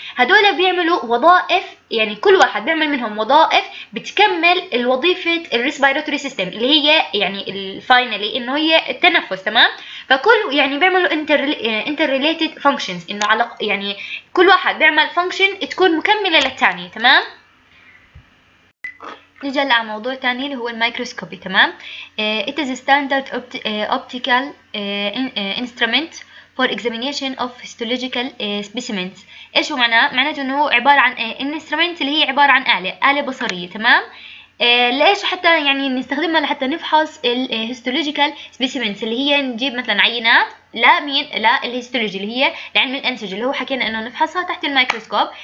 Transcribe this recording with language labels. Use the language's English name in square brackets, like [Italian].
[Arabic] هدول بيعملوا وظائف، يعني كل واحد بيعمل منهم وظائف بتكمل الوظيفه الريسبيراتوري سيستم، اللي هي يعني الفاينلي انه هي التنفس تمام. فكل يعني بيعملوا انتر ريليتد فانكشنز، انه على يعني كل واحد بيعمل فانكشن تكون مكمله للثانيه تمام. نجي على موضوع ثاني اللي هو الميكروسكوبي تمام. [English] It is a standard optical instrument for examination of histological specimens. [Arabic] ايش هو معناه؟ معناته انه عباره عن instrument اللي هي عباره عن اله بصريه تمام. ليش حتى يعني نستخدمها؟ لحتى نفحص الهيستولوجيكال سبيسيمنز، اللي هي نجيب مثلا عينات لمين؟ لا الهيستولوجي اللي هي لعلم الانسجه، اللي هو حكينا انه نفحصها تحت الميكروسكوب.